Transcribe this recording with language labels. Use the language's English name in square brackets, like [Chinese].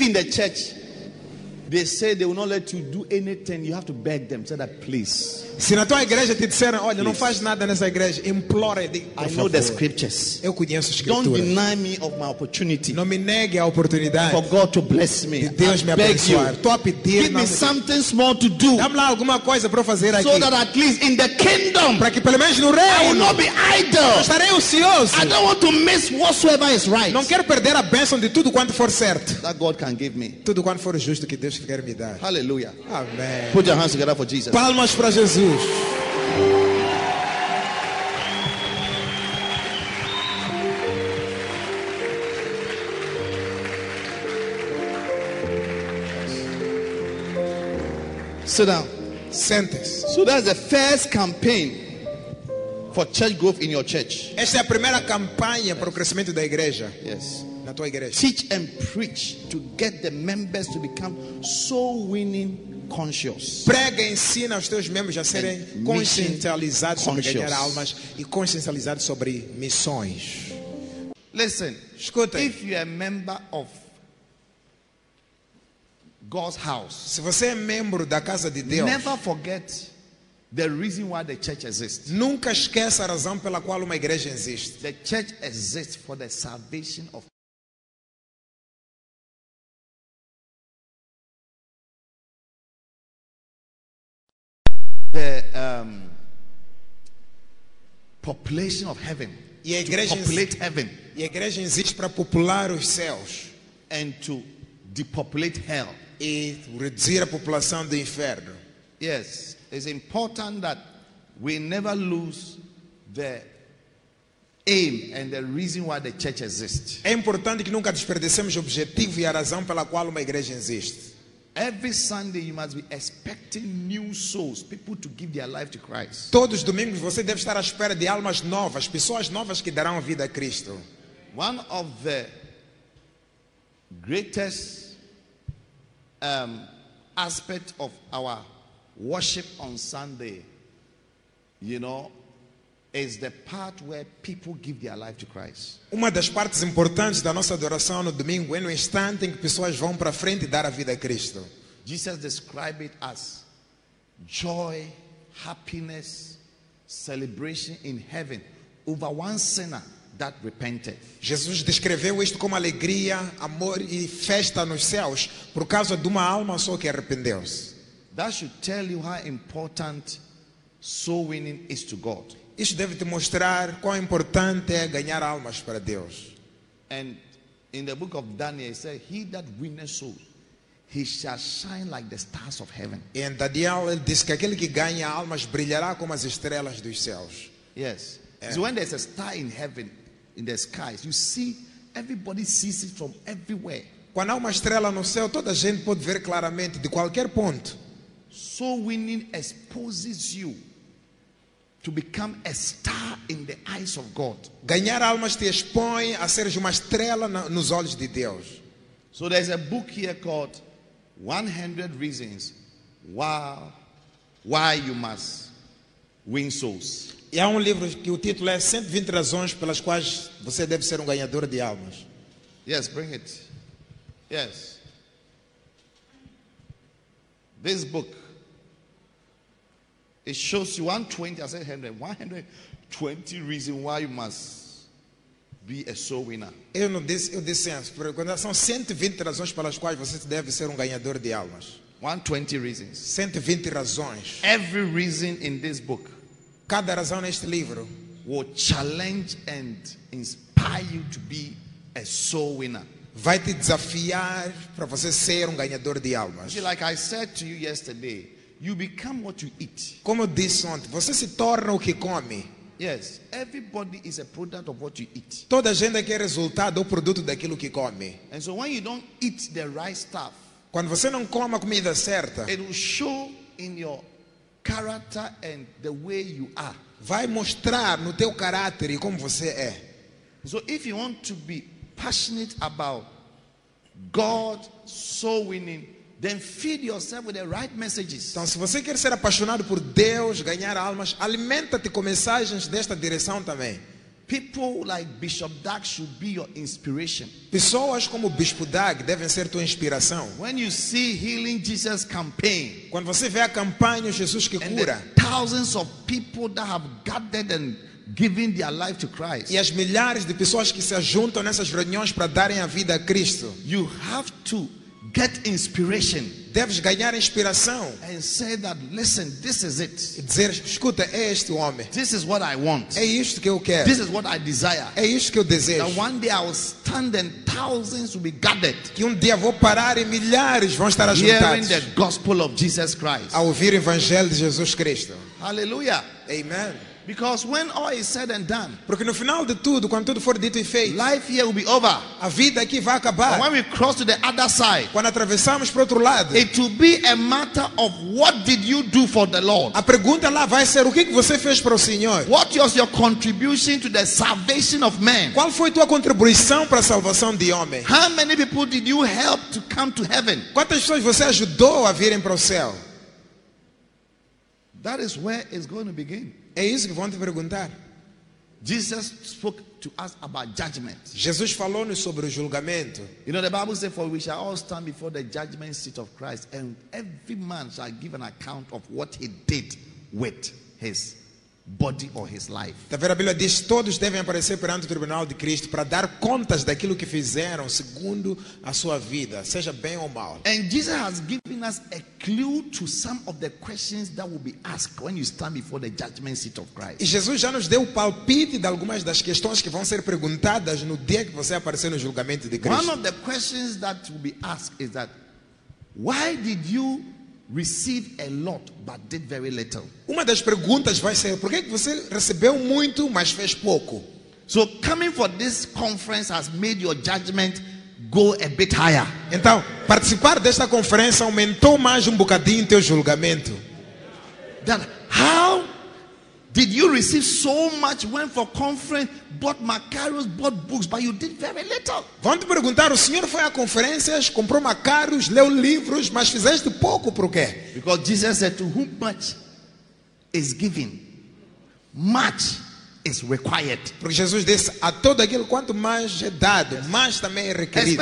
[English] church, they say they will not let you do anything. You have to beg them. Say that, please. [Portuguese] Se na tua igreja te disseram, olha, não faz nada nessa igreja, implore. [English] I know the scriptures. [Portuguese] Eu conheço as escrituras. [English] Don't deny me of my opportunity. [Portuguese] Não me negue a oportunidade. [English] For God to bless me. [Portuguese] De Deus me abençoar. Tô a pedir. [English] Give me something small to do. [Portuguese] Dá-me lá alguma coisa para fazer aqui. [English] So that at least in the kingdom. [Portuguese] Para que pelo menos no reino. [English] I will not be idle. [Portuguese] Não estarei ocioso. [English] I don't want to miss whatsoever is right. [Portuguese] Não quero perder a bênção de tudo quanto for certo. [English] That God can give me. [Portuguese] Tudo quanto for justo que Deus quer me dar. [English] Hallelujah. [Portuguese] Amém. [English] Put your hands together for Jesus. [Portuguese] Palmas para Jesus. [English] Sit down. [Portuguese] Sentes. [English] So that's the first campaign for church growth in your church. [Portuguese] Esta é a primeira campanha para o crescimento da igreja. [English] Yes. [Portuguese] Na tua igreja. [English] Teach and preach to get the members to become soul winning. Conscious. [Portuguese] Prega e ensina os teus membros a serem conscientizados sobre ganhar almas e conscientizados sobre missões. [English] Listen, [Portuguese] escuta. [English] If you are a member of God's house, [Portuguese] se você é membro da casa de Deus, [English] never forget the reason why the church exists. [Portuguese] Nunca esqueça a razão pela qual uma igreja existe. [English] The church exists for the salvation of population of heaven. [Portuguese] E a igreja, [English] to populate heaven. [Portuguese] E a igreja existe para populare os céus. [English] And to depopulate hell. [Portuguese] E reduzir a população do inferno. [English] Yes, it's important that we never lose the aim and the reason why the church exists. [Portuguese] É importante que nunca desperdicemos o objetivo e a razão pela qual uma igreja existe. [English] Every Sunday you must be expecting new souls, people to give their life to Christ. [Portuguese] Todos os domingos você deve estar à espera de almas novas, pessoas novas que darão vida a Cristo. [English] One of the greatest aspect of our worship on Sunday, you know, is the part where people give their life to Christ. [Portuguese] Uma das partes importantes da nossa adoração no domingo é no instante em que pessoas vão para frente e dar a vida a Cristo. [English] Jesus described it as joy, happiness, celebration in heaven over one sinner that repented. [Portuguese] Jesus descreveu isto como alegria, amor e festa nos céus por causa de uma alma só que arrependeu-se. [English] That should tell you how important soul winning is to God. [Portuguese] Isso deve te mostrar quão importante é ganhar almas para Deus. [English] And in the book of Daniel, it says, he that wineth souls, he shall shine like the stars of heaven. [Portuguese] Em Daniel, ele diz que aquele que ganha almas brilhará como as estrelas dos céus. [English] Yes. É. So when there's a star in heaven, in the skies, you see, everybody sees it from everywhere. [Portuguese] Quando há uma estrela no céu, toda a gente pode ver claramente de qualquer ponto. [English] So winning exposes you to become a star in the eyes of God. [Portuguese] Ganhar almas te expõe a seres uma estrela nos olhos de Deus. [English] So there's a book here called 100 Reasons Why You Must Win Souls. [Portuguese] E há livro que o título é 120 razões pelas quais você deve ser ganhador de almas. [English] Yes, bring it. Yes. This book, it shows you 120 reasons why you must be a soul winner. [Portuguese] Eu não disse, eu disse antes, porque quando são 120 razões pelas quais você deve ser ganhador de almas. [English] 120 reasons. [Portuguese] 120 razões. [English] Every reason in this book. [Portuguese] Cada razão neste livro [English] will challenge and inspire you to be a soul winner. [Portuguese] Vai te desafiar para você ser ganhador de almas. [English] See, like I said to you yesterday, you become what you eat. [Portuguese] Como eu disse ontem, você se torna o que come. [English] Yes, everybody is a product of what you eat. [Portuguese] Toda a gente aqui é resultado ou produto daquilo que come. [English] And so when you don't eat the right stuff, [Portuguese] quando você não come a comida certa, [English] it will show in your character and the way you are. [Portuguese] Vai mostrar no teu caráter e como você é. [English] So if you want to be passionate about God soul winning, then feed yourself with the right messages. [Portuguese] Então, se você quer ser apaixonado por Deus, ganhar almas, alimenta-te com mensagens desta direção também. [English] People like Bishop Doug should be your inspiration. [Portuguese] Pessoas como Bispo Doug devem ser tua inspiração. [English] When you see Healing Jesus campaign, [Portuguese] quando você vê a campanha Jesus que cura, [English] and the thousands of people that have gathered and giving their life to Christ. [Portuguese] E as milhares de pessoas que se juntam nessas reuniões para darem a vida a Cristo. [English] You have to get inspiration. [Portuguese] Deves ganhar inspiração. [English] And say that, listen, this is it. [Portuguese] E dizer, escuta, é este o homem. [English] This is what I want. [Portuguese] É isto que eu quero. [English] This is what I desire. [Portuguese] É isto que eu desejo. [English] That one day I will stand and thousands will be gathered. [Portuguese] Que dia vou parar e milhares vão estar juntados. [English] Hearing the gospel of Jesus Christ. [Portuguese] A ouvir o evangelho de Jesus Cristo. [English] Hallelujah. Amen. Because when all is said and done, [Portuguese] porque no final de tudo, quando tudo for dito e feito, [English] life here will be over. [Portuguese] A vida aqui vai acabar. [English] And when we cross to the other side, [Portuguese] quando atravessamos para outro lado, [English] it will be a matter of what did you do for the Lord? [Portuguese] A pergunta lá vai ser o que você fez para o Senhor? [English] What was your contribution to the salvation of men? [Portuguese] Qual foi tua contribuição para a salvação de homem? [English] How many people did you help to come to heaven? [Portuguese] Quantas pessoas você ajudou a virem para o céu? [English] That is where it's going to begin. [Portuguese] É isso que vão te perguntar. [English] Jesus spoke to us about judgment. [Portuguese] Jesus falou-nos sobre o julgamento. [English] You know the Bible says, "For we shall all stand before the judgment seat of Christ, and every man shall give an account of what he did with his body or his life." [Portuguese] Tá vendo, a Bíblia diz, todos devem aparecer perante o tribunal de Cristo para dar contas daquilo que fizeram segundo a sua vida, seja bem ou mal. [English] And Jesus has given us a clue to some of the questions that will be asked when you stand before the judgment seat of Christ. [Portuguese] E Jesus já nos deu o palpite de algumas das questões que vão ser perguntadas no dia que você aparecer no julgamento de Cristo. [English] One of the questions that will be asked is that, why did you receive a lot but did very little? [Portuguese] Uma das perguntas vai ser, por que você recebeu muito mas fez pouco? [English] So coming for this conference has made your judgment go a bit higher. [Portuguese] Então, participar desta conferência aumentou mais bocadinho teu julgamento. [English] That how did you receive so much, went for conference, bought macaros, bought books, but you did very little? [Portuguese] Vão te perguntar, o senhor foi a conferências, comprou macaros, leu livros, mas fizeste pouco, por quê? [English] Because Jesus said, to whom much is given, much is required. [Portuguese] Porque Jesus disse, a todo aquilo quanto mais é dado, mais também é requerido.